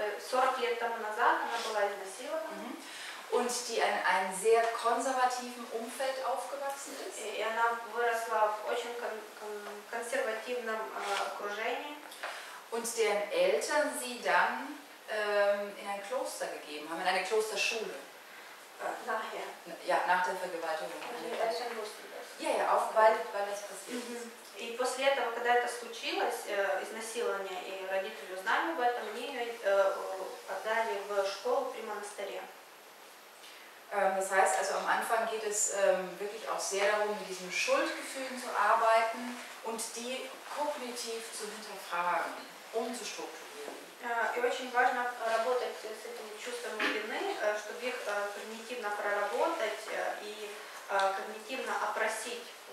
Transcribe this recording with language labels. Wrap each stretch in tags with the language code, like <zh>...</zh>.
<ru>40 лет тому назад она была изнасилована.</ru> <de>Und die in einem sehr konservativen Umfeld aufgewachsen ist.</de> <ru>И она выросла в очень консервативном окружении.</ru> <de>Und deren Eltern sie dann in ein Kloster gegeben haben, in eine Klosterschule. Nachher. Ja, nach der Vergewaltigung. Ja, ja, aufgewaltet, weil das passiert ist.</de> <ru>И после этого, когда это случилось, изнасилование, и родители узнали об этом, они ее отдали в школу при монастыре.</ru> <de>Das heißt, also am Anfang geht es wirklich auch sehr darum, mit diesen Schuldgefühlen zu arbeiten und die kognitiv zu hinterfragen, um zu strukturieren.</de> <ru>И очень важно работать с этим чувством вины, чтобы их когнитивно проработать и когнитивно опросить.</ru>